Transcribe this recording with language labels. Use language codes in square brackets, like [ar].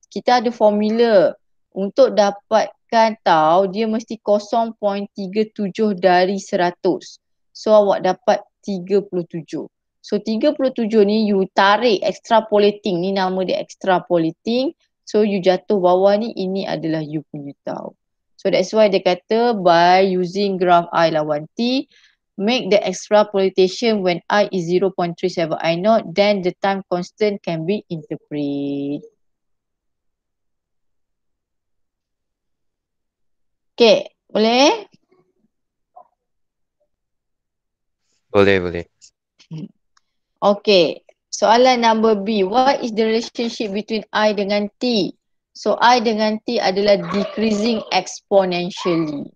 [ms] Kita ada formula. Untuk dapatkan tau, dia mesti 0.37 dari 100. So awak dapat 37. So 37 ni you tarik extrapolating. Ni nama dia extrapolating. So you jatuh bawah ni, ini adalah you punya tau. [en] So that's why [ms] dia kata [en] by using graph I lawan T, make the extrapolation when I is 0.37 I naught, then the time constant can be interpret. [ms] Okay, boleh? Boleh, boleh. Okay, soalan number B. [en] What is the relationship between I [ms] dengan [en] T? [ms] So I dengan T adalah [en] decreasing exponentially.